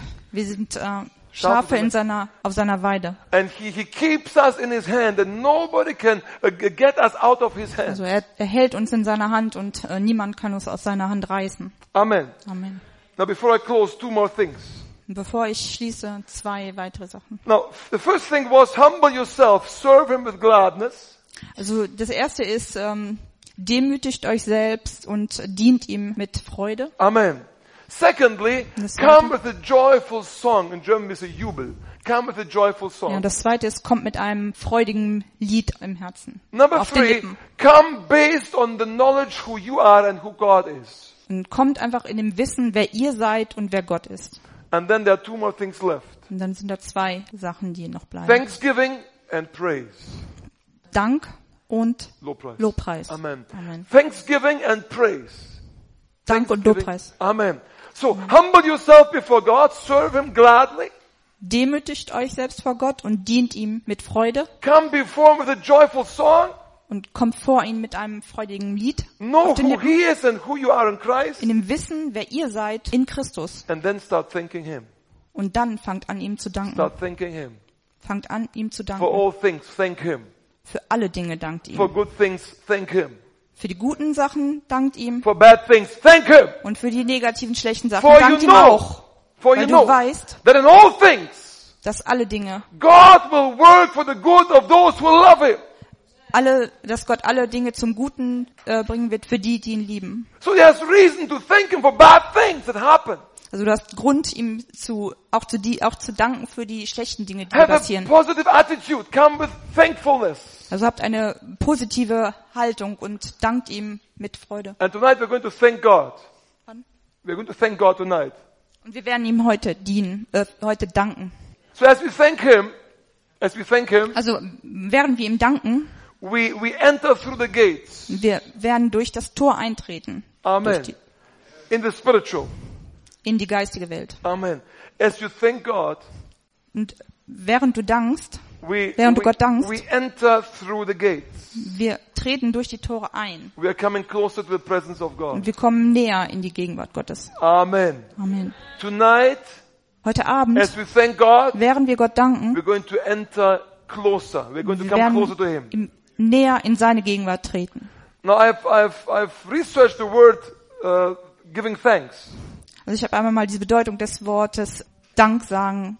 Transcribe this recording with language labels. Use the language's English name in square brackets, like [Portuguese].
[German] Wir sind Schafe in seiner, auf seiner Weide. [English] And he keeps us in his hand and nobody can get us out of his hand. [German] Also er hält uns in seiner Hand und niemand kann uns aus seiner Hand reißen. Amen. Amen. [English] Now before I close, two more things. [German] Bevor ich schließe, zwei weitere Sachen. [English] Now, the first thing was humble yourself, serve him with gladness. [German] Also das erste ist demütigt euch selbst und dient ihm mit Freude. Amen. [English] Secondly, come with a joyful song. In German we say Jubel. Come with a joyful song. [German] Ja, das zweite ist kommt mit einem freudigen Lied im Herzen. [English] Number three, come based on the knowledge who you are and who God is. [German] Und kommt einfach in dem Wissen, wer ihr seid und wer Gott ist. [English] And then there are two more things left. [German] Und dann sind da zwei Sachen, die noch bleiben. [English] Thanksgiving and praise. [German] Dank und Lobpreis. Lobpreis. Amen. Amen. [English] Thanksgiving and praise. [German] Dank und Lobpreis. Amen. [English] So, humble yourself before God, serve him gladly. [German] Demütigt euch selbst vor Gott und dient ihm mit Freude. [English] Come before him with a joyful song. [German] Und kommt vor ihn mit einem freudigen Lied. [English] Know who he is and who you are in Christ. [German] In dem Wissen, wer ihr seid in Christus. [English] And then start thanking him. [German] Und dann fangt an, ihm zu danken. [English] Start thanking him. [German] Fangt an, ihm zu danken. [English] For all things, thank him. [German] Für alle Dinge dankt ihm. [English] For good things, thank him. [German] Für die guten Sachen dankt ihm. [English] For bad things, thank him. [German] Und für die negativen, schlechten Sachen dankt ihm auch. [English] For [German] weil [English] you [German] du [English] know, [German] weißt, [English] that in all things, [German] dass alle Dinge [English] God will work for the good of those who love him. [German] Alle, dass Gott alle Dinge zum Guten bringen wird für die, die ihn lieben. [English] So he has reason to thank him for bad things that happen. [German] Also du hast Grund, ihm auch zu danken für die schlechten Dinge, die passieren. [English] Have a positive attitude. Come with thankfulness. [German] Also habt eine positive Haltung und dankt ihm mit Freude. [English] And tonight we're going to thank God. We're going to thank God tonight. [German] Und wir werden ihm heute dienen, heute danken. [English] So as we thank him. [German] Also werden wir ihm danken. [English] We enter through the gates. [German] Wir werden durch das Tor eintreten. [English] Amen. In the spiritual. [German] in die geistige Welt. [English] Amen. As you thank God, [German] und während du dankst, während du Gott dankst, [English] we enter through the gates. [German] Wir treten durch die Tore ein. [English] We are coming closer to the presence of God. [German] Und wir kommen näher in die Gegenwart Gottes. Amen. Amen. [English] Tonight, [German] heute Abend, [English] as we thank God, [German] während wir Gott danken, [English] we're going to enter closer. We're going to come closer to him. [German] Näher in seine Gegenwart treten. [English] Now I've researched the word giving thanks. [German] Also ich habe einmal mal diese Bedeutung des Wortes Dank sagen.